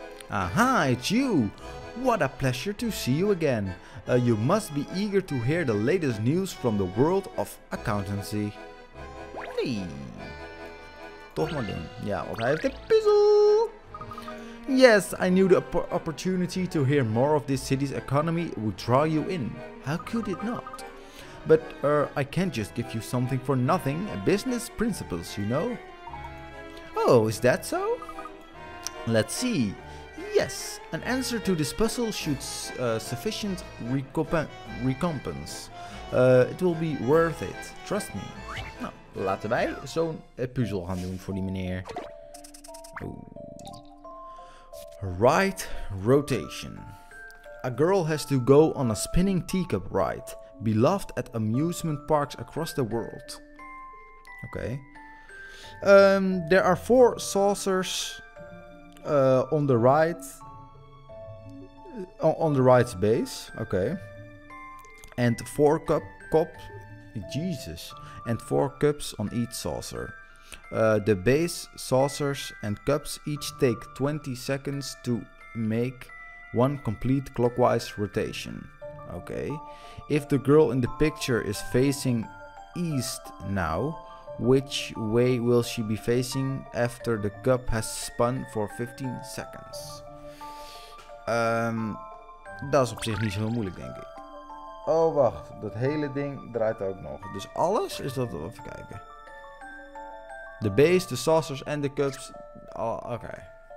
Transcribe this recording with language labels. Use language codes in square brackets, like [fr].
[en] Aha, it's you! What a pleasure to see you again. You must be eager to hear the latest news from the world of accountancy. Hey. [nl] Toch maar doen. Ja, want hij heeft een puzzel. [en] Yes, I knew the opportunity to hear more of this city's economy would draw you in. How could it not? But I can't just give you something for nothing. Business principles, you know. Oh, is that so? Let's see. Yes, an answer to this puzzle should sufficient recompense. It will be worth it, trust me. [nl] Nou, laten wij zo'n puzzel gaan doen voor die meneer. [en] Ooh. Right rotation. A girl has to go on a spinning teacup ride, beloved at amusement parks across the world. Okay. There are four saucers on the right. On the right base, okay. And four cups on each saucer. The base, saucers and cups each take 20 seconds to make one complete clockwise rotation. Okay. If the girl in the picture is facing east now, which way will she be facing after the cup has spun for 15 seconds? [nl] Dat is op zich niet zo moeilijk, denk ik. Oh, wacht. Dat hele ding draait ook nog. Dus alles is dat... Even kijken. De base, de saucers en de cups. Oh, oké. [en] Okay.